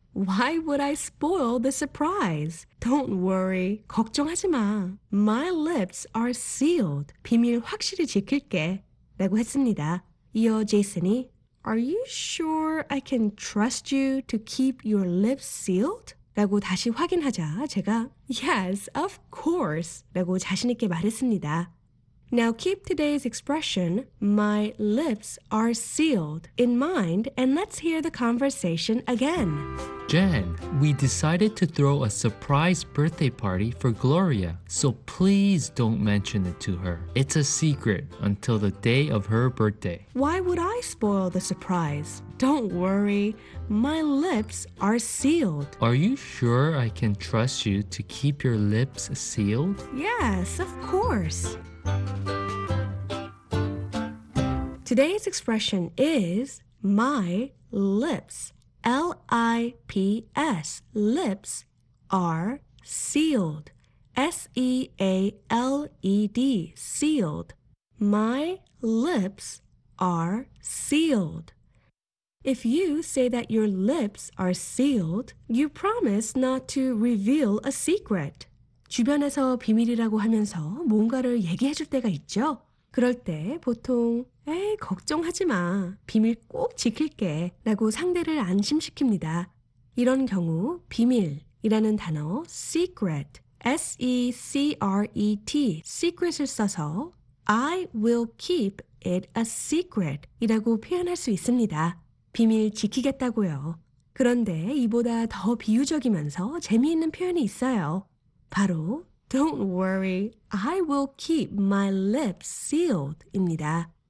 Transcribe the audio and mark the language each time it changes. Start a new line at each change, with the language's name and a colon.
English: Why would I spoil the surprise? Don't worry.
Korean: 걱정하지 마.
English: My lips are sealed.
Korean: 비밀 확실히 지킬게. 라고 했습니다. 이어 제이슨이
English: Are you sure I can trust you to keep your lips sealed?
Korean: 라고 다시 확인하자 제가
English: Yes, of course!
Korean: 라고 자신있게 말했습니다.
English: Now keep today's expression, my lips are sealed, in mind and let's hear the conversation again. Jen, we decided to throw a surprise birthday party for Gloria, so please don't mention it to her. It's a secret until the day of her birthday. Why would I spoil the surprise? Don't worry, my lips are sealed. Are you sure I can trust you to keep your lips sealed? Yes, of course. Today's expression is my lips. L-I-P-S, lips are sealed. S-E-A-L-E-D, sealed. My lips are sealed. If you say that your lips are sealed, you promise not to reveal a secret.
Korean: 주변에서 비밀이라고 하면서 뭔가를 얘기해줄 때가 있죠? 그럴 때 보통 에이, 걱정하지 마. 비밀 꼭 지킬게. 라고 상대를 안심시킵니다. 이런 경우 비밀이라는 단어 secret,
English: S-E-C-R-E-T, secret을
Korean: 써서
English: I will keep it a secret
Korean: 이라고 표현할 수 있습니다. 비밀 지키겠다고요. 그런데 이보다 더 비유적이면서 재미있는 표현이 있어요. 바로
English: Don't worry, I will keep my lips sealed
Korean: 입니다.